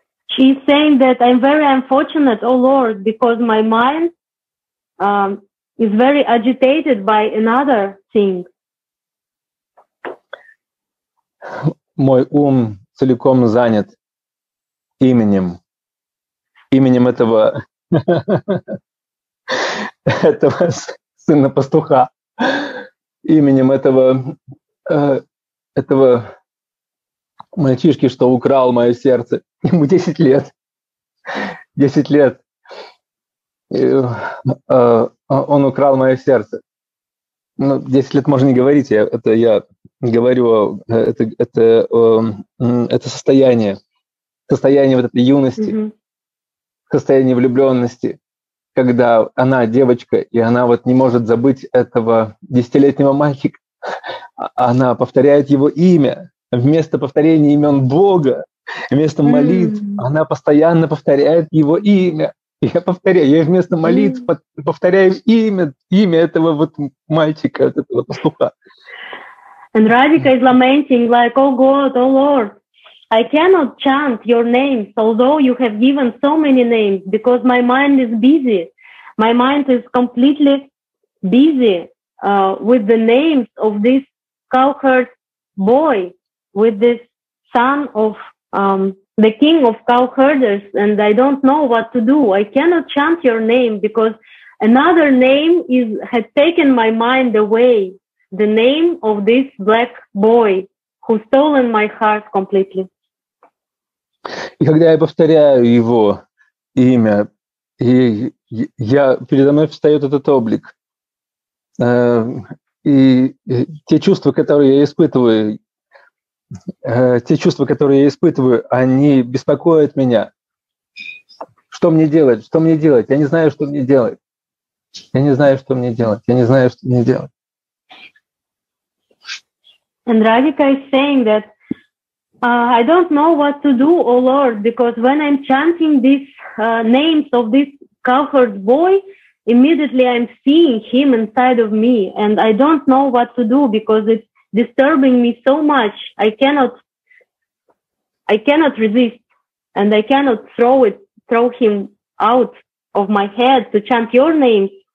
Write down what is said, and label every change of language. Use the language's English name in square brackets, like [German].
[English] She's saying that I'm very unfortunate, oh Lord, because my mind is very agitated by another thing. [Russian] Мой ум целиком занят именем этого сына пастуха, именем этого мальчишки, что украл мое сердце. Ему 10 лет. 10 лет. Он украл мое сердце. Ну, 10 лет можно не говорить. Это состояние. Состояние вот этой юности. Mm-hmm. Состояние влюбленности. Когда она девочка, и она вот не может забыть этого 10-летнего мальчика. Она повторяет его имя. Вместо повторения имен Бога, вместо молитв, она постоянно повторяет его имя. Я вместо молитв повторяю имя этого вот мальчика, этого пастуха. [English] And Radhika is lamenting like, oh God, oh Lord, I cannot chant your names, although you have given so many names, because my mind is busy. My mind is completely busy with the names of this cowherd boy. With this son of the king of cowherders, and I don't know what to do. I cannot chant your name because another name has taken my mind away. The name of this black boy who stolen my heart completely. [Russian] И когда я повторяю его имя, и я передо мной встает этот облик, и те чувства, которые я испытываю. Те чувства, которые я испытываю, они беспокоят меня. Что мне делать? Что мне делать? Я не знаю, что мне делать. Я не знаю, что мне делать. Я не знаю, что мне делать. [English] And Radhika is saying that I don't know what to do, oh Lord, because when I'm chanting these names of this cowherd boy, immediately I'm seeing him inside of me, and I don't know what to do because it's disturbing me so much, I cannot resist, and I cannot throw him out of my head to chant your name.